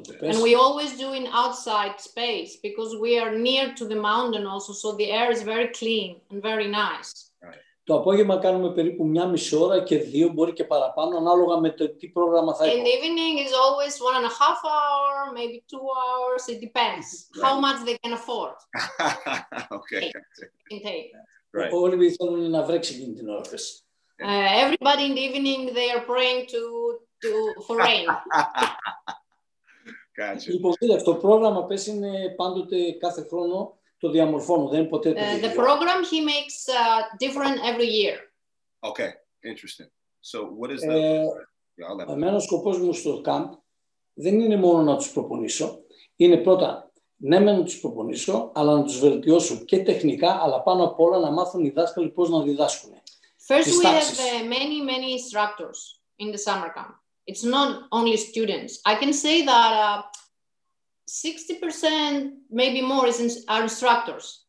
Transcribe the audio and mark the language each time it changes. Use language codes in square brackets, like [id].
[en] And we always do in outside space because we are near to the mountain also, so the air is very clean and very nice. [el] Το απόγευμα κάνουμε περίπου μια μισή ώρα και δύο, μπορεί και παραπάνω, ανάλογα με το τι πρόγραμμα θα έχουμε. [en] In the evening is always 1.5 hour, maybe 2 hours, it depends how much they can afford. Okay. [el] Όλοι θέλουν να βρέξει εκείνη την ώρα. [en] Everybody in the evening, they are praying for rain. [el] Υποθέτω, το πρόγραμμα πες είναι πάντοτε κάθε χρόνο το διαμορφώνω, δεν ποτέ το διαμορφώνω. [en] The program he makes different every year. Okay, interesting. So what is [el] Εμένα ο σκοπός μου στο camp δεν είναι μόνο να τους προπονήσω, είναι πρώτα ναι με να τους προπονήσω, αλλά να τους βελτιώσω και τεχνικά, αλλά πάνω απ' όλα να μάθουν οι δάσκαλοι πώς να διδάσκουν. [en] First we have many instructors in the summer camp. It's not only students. I can say that 60%, maybe more, are instructors.